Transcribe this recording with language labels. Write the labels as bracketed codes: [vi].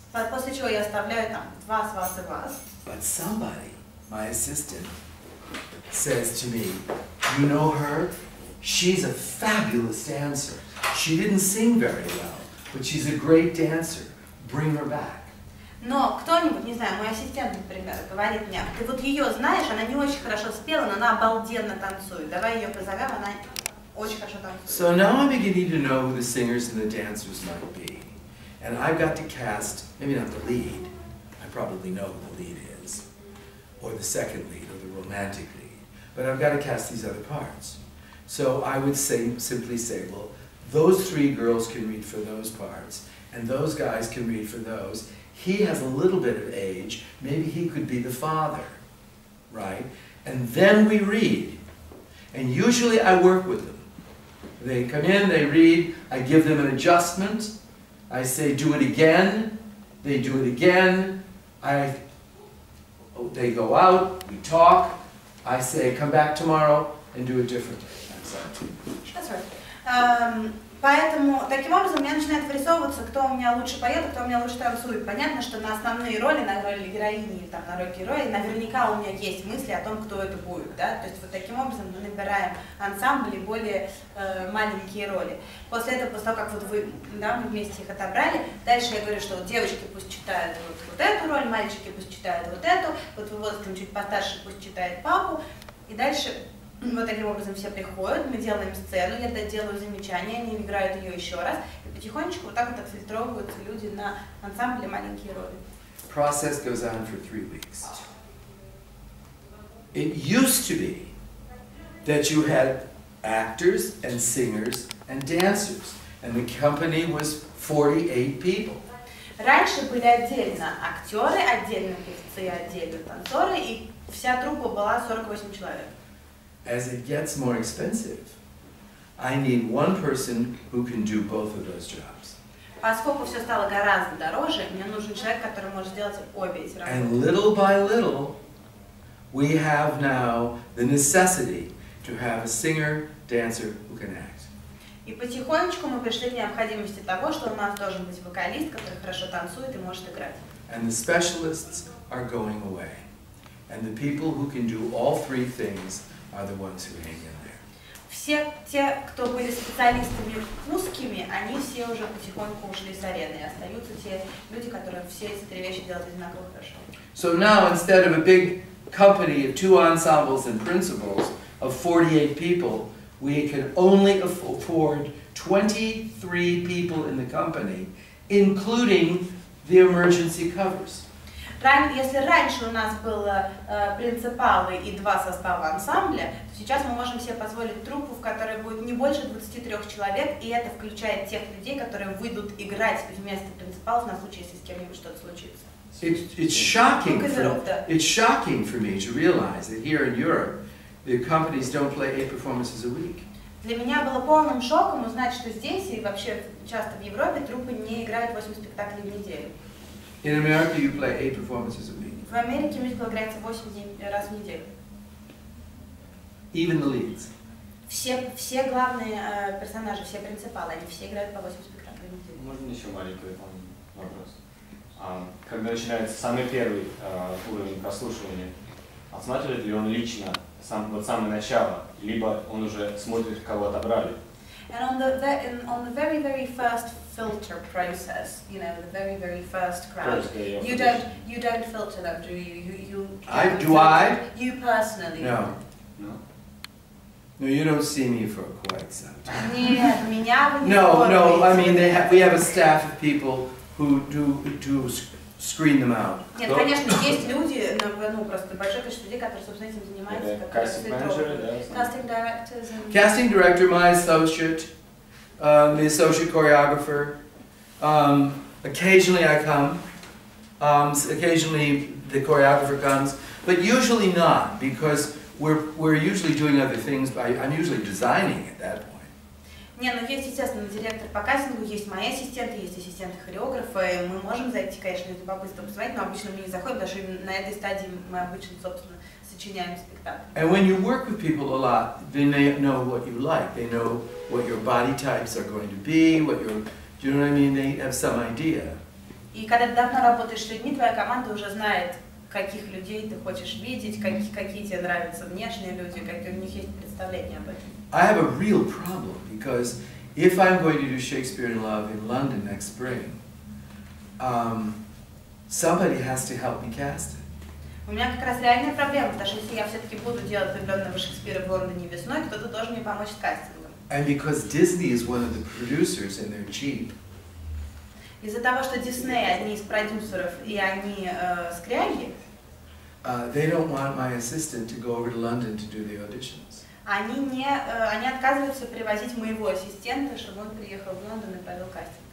[ru] После чего я оставляю там вас. [en] But somebody, my assistant, says to me, you know her? She's a fabulous dancer. She didn't sing very well, but she's a great dancer. Bring her back. [ru] Но кто-нибудь, не знаю, мой ассистент, например, говорит мне, ты вот ее знаешь, она не очень хорошо спела, но она обалденно танцует. Давай ее позовем, она очень хорошо танцует. [en] So now I'm beginning to know who the singers and the dancers might be. And I've got to cast, maybe not the lead, I probably know who the lead is, or the second lead, or the romantic lead, but I've got to cast these other parts. So I would simply say, well, those three girls can read for those parts, and those guys can read for those. He has a little bit of age, maybe he could be the father, right? And then we read, and usually I work with them. They come in, they read, I give them an adjustment, I say, do it again, they do it again, they go out, we talk, I say, come back tomorrow, and do it differently. That's right. [ru] Поэтому, таким образом, мне начинает вырисовываться, кто у меня лучше поет, кто у меня лучше танцует. Понятно, что на основные роли, на роли героини, там, на роль героя, наверняка у меня есть мысли о том, кто это будет. Да? То есть вот таким образом мы набираем ансамбли, более маленькие роли. После того, как вот вы, да, мы вместе их отобрали, дальше я говорю, что вот девочки пусть читают вот эту роль, мальчики пусть читают вот эту, вот вы возрастом чуть постарше пусть читает папу, и дальше... Вот таким образом все приходят, мы делаем сцену, я делаю замечания, они играют ее еще раз, и потихонечку вот так вот отфильтровываются люди на ансамбле маленькие роли. [en] Process goes on for 3 weeks. It used to be that you had actors and singers and dancers, and the company was 48 people. [ru] Раньше были отдельно актеры, отдельно певцы, отдельно танцоры, и вся труппа была 48 человек. [en] As it gets more expensive, I need one person who can do both of those jobs. [ru] Поскольку все стало гораздо дороже, мне нужен человек, который может делать обе эти работы. [en] And little by little, we have now the necessity to have a singer, dancer who can act. [ru] И потихонечку мы пришли к необходимости того, что у нас должен быть вокалист, который хорошо танцует и может играть. [en] And the specialists are going away. And the people who can do all three things are the ones who hang in there. [ru] Все те, кто были специалистами узкими, они все уже потихоньку ушли с арены. Остаются те люди, которые все эти три вещи делают одинаково хорошо. [en] So now, instead of a big company of two ensembles and principals of 48 people, we can only afford 23 people in the company, including the emergency covers. [ru] Если раньше у нас было принципалы и два состава ансамбля, то сейчас мы можем себе позволить труппу, в которой будет не больше 23 человек, и это включает тех людей, которые выйдут играть вместо принципалов на случай, если с кем-нибудь что-то случится. [en] It's shocking for me to realize that here in Europe the companies don't play 8 performances a week. [ru] Для меня было полным шоком узнать, что здесь и вообще часто в Европе труппы не играют 8 спектаклей в неделю. [en] In America, you play 8 performances a week. [ru] В Америке мюзикл играется 8 раз в неделю. [en] Even the leads. [ru] Все главные персонажи, все принципалы, они все играют по 8 спектаклей. Можно еще маленький дополнительный вопрос? Когда начинается самый первый уровень прослушивания, отсматривает ли он лично вот самое начало, либо он уже смотрит, кого отобрали? [en] And on the very, very first filter process, you know, the very, very first crowd, you don't filter them, do you? Do I? You personally? No. No, you don't see me for quite some time. We have a staff of people who do screen them out. [ru] Нет, конечно, есть люди, ну просто большое количество людей, которые, собственно, этим занимаются, [en] yeah, [ru] как casting [en] directors and... Casting director, my associate, the associate choreographer. Occasionally I come. Occasionally the choreographer comes, but usually not, because we're usually doing other things I'm usually designing at that point. [ru] Не, ну есть, естественно, директор по кастингу, есть мои ассистенты, есть ассистенты хореографа, и мы можем зайти, конечно, это попытаться посмотреть, но обычно мы не заходим, даже на этой стадии мы обычно, собственно, сочиняем спектакль. [en] And when you work with people a lot, they may know what you like, they know what your body types are going to be, what your, do you know what I mean? They have some idea. [ru] И когда ты давно работаешь с людьми, твоя команда уже знает, каких людей ты хочешь видеть, какие тебе нравятся внешние люди, какие у них есть представления об этом. [en] I have a real problem, because if I'm going to do Shakespeare in Love in London next spring, somebody has to help me cast it. [ru] У меня как раз реальная проблема, потому что если я все-таки буду делать влюбленного Шекспира в Лондоне весной, кто-то должен мне помочь с кастингом. [en] And because Disney is one of the producers and they're cheap. [ru] Из-за того, что Disney одни из продюсеров и они скряги, [en] they don't want my assistant to go over to London to do the auditions. [ru] Они отказываются привозить моего ассистента, чтобы он приехал в Лондон и провел кастинг.